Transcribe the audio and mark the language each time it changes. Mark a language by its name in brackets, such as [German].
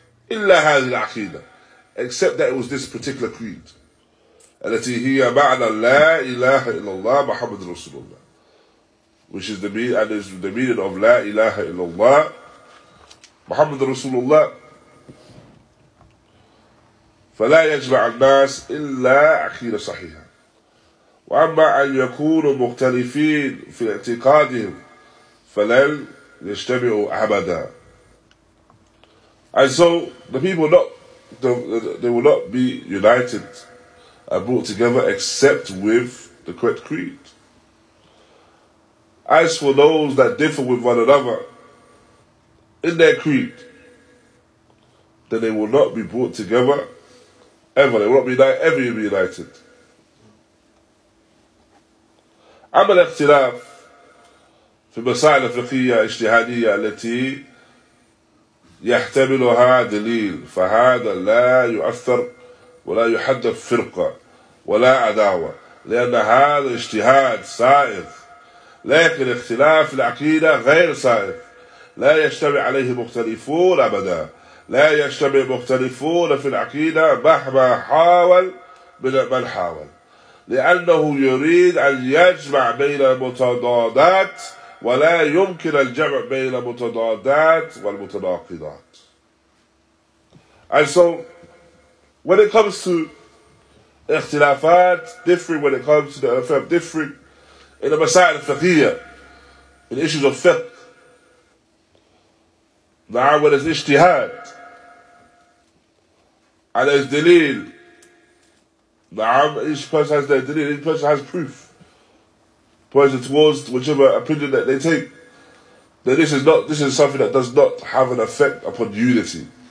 [Arabic] Illa hadhihi al-aqeedah. [English] Except that it was this particular creed. [Arabic] Allati hiya ba'da la ilaha illallah Muhammadur Rasulullah. [English] Which is the meaning of la ilaha illallah Muhammadur Rasulullah. [Arabic] فلا يجمع الناس إلا عقيدة صحيحة. وأما أن يكونوا مختلفين في اعتقادهم فلن يجتمعوا أبدا. [English] And so the people they will not be united and brought together except with the correct creed. As for those that differ with one another in their creed, then they will not be brought together ever. They will not be ever united. [Arabic] أما الاختلاف في مسائل فقهية اجتهادية التي يحتملها دليل فهذا لا يؤثر ولا يحدث فرقة ولا عداوة لأن هذا اجتهاد سائغ لكن اختلاف العقيدة غير سائغ لا يجتمع عليه مختلفون أبدا لا يجتمع مختلفون في العقيدة مهما حاول من حاول لأنه يريد أن يجمع بين المتضادات ولا يمكن الجمع بين المتضادات والمتناقضات. [English] And so, when it comes to اختلافات, differing when it comes to the affair, differing in the مسائل الفقهية, in the issues of fiqh, نعم, when it's اجتهاد, and there's دليل, نعم, each person has their دليل, each person has proof, pointing towards whichever opinion that they take, then this is something that does not have an effect upon unity.